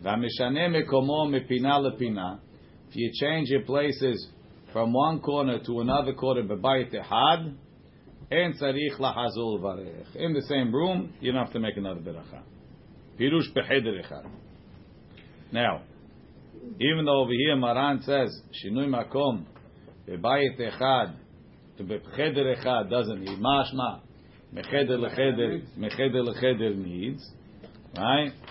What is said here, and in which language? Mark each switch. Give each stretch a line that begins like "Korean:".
Hebrew: והמשנה מקומו מפינה לפינה.
English: If you change your places from one corner to another corner
Hebrew: בבית אחד, אין צריך לחזור לברך.
English: In the same room, you don't have to make another ברכה.
Hebrew: פירוש בחדר אחד.
English: Now, even though over here Maran says,
Hebrew: שינוי מקום בבית אחד, בחדר אחד,
English: doesn't he?
Hebrew: משמע. מחדר לחדר, מחדר לחדר
English: needs, right?